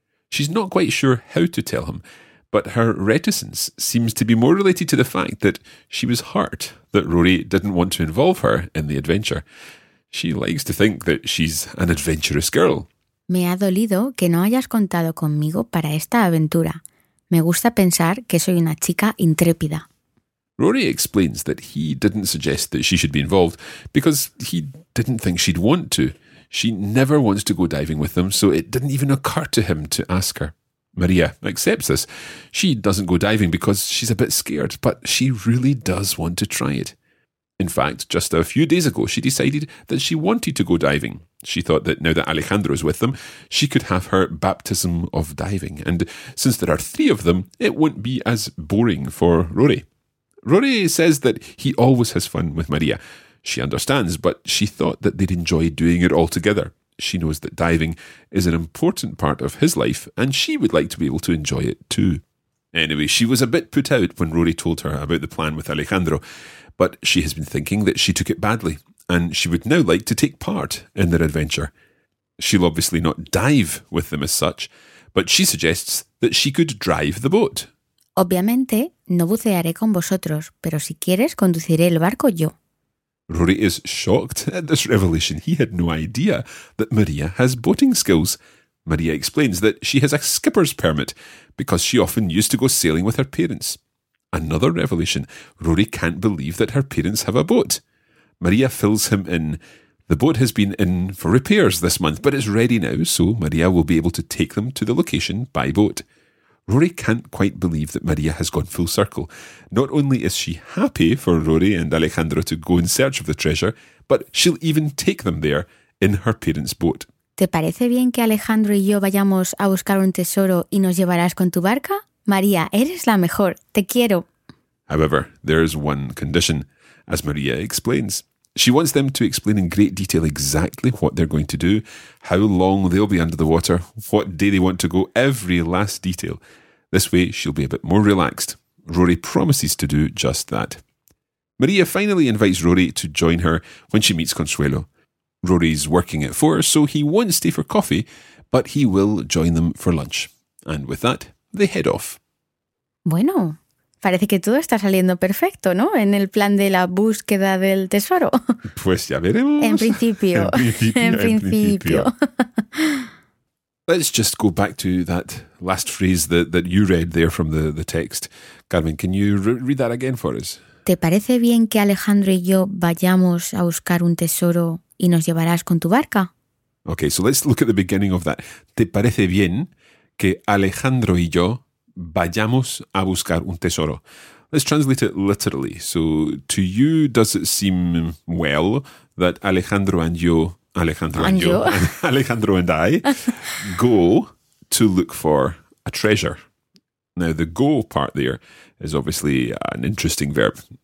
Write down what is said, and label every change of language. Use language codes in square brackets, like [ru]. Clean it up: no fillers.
[en] She's not quite sure how to tell him, but her reticence seems to be more related to the fact that she was hurt that Rory didn't want to involve her in the adventure. She likes to think that she's an adventurous girl. [es] Me ha dolido que no hayas contado conmigo para esta aventura. Me gusta pensar que soy una chica intrépida. [en] Rory explains that he didn't suggest that she should be involved because he didn't think she'd want to. She never wants to go diving with them, so it didn't even occur to him to ask her. Maria accepts this. She doesn't go diving because she's a bit scared, but she really does want to try it. In fact, just a few days ago, she decided that she wanted to go diving. She thought that now that Alejandro is with them, she could have her baptism of diving. And since there are three of them, it wouldn't be as boring for Rory. Rory says that he always has fun with Maria. She understands, but she thought that they'd enjoy doing it all together. She knows that diving is an important part of his life, and she would like to be able to enjoy it too. Anyway, she was a bit put out when Rory told her about the plan with Alejandro, but she has been thinking that she took it badly, and she would now like to take part in their adventure. She'll obviously not dive with them as such, but she suggests that she could drive the boat. [es] Obviamente, no bucearé con vosotros, pero si quieres, conduciré el barco yo. [en] Rory is shocked at this revelation. He had no idea that Maria has boating skills. Maria explains that she has a skipper's permit because she often used to go sailing with her parents. Another revelation. Rory can't believe that her parents have a boat. Maria fills him in. The boat has been in for repairs this month, but it's ready now, so Maria will be able to take them to the location by boat. Rory can't quite believe that Maria has gone full circle. Not only is she happy for Rory and Alejandro to go in search of the treasure, but she'll even take them there in her parents' boat. [es] ¿Te parece bien que Alejandro y yo vayamos a buscar un tesoro y nos llevarás con tu barca? María, eres la mejor. Te quiero. [en] However, there is one condition, as María explains. She wants them to explain in great detail exactly what they're going to do, how long they'll be under the water, what day they want to go, every last detail. This way, she'll be a bit more relaxed. Rory promises to do just that. María finally invites Rory to join her when she meets Consuelo. Rory's working at 4, so he won't stay for coffee, but he will join them for lunch. And with that, they head off. [es] Bueno, parece que todo está saliendo perfecto, ¿no? En el plan de la búsqueda del tesoro. Pues ya veremos. En principio. En principio. [en] Let's just go back to that last phrase that you read there from the text. Carmen, can you read that again for us? [es] ¿Te parece bien que Alejandro y yo vayamos a buscar un tesoro y nos llevarás con tu barca? [en] Okay, so let's look at the beginning of that. [es] ¿Te parece bien que Alejandro y yo vayamos a buscar un tesoro? [en] Let's translate it literally. So, to you, does it seem well that Alejandro and I go to look for a treasure? Now, the go part there is obviously an interesting verb.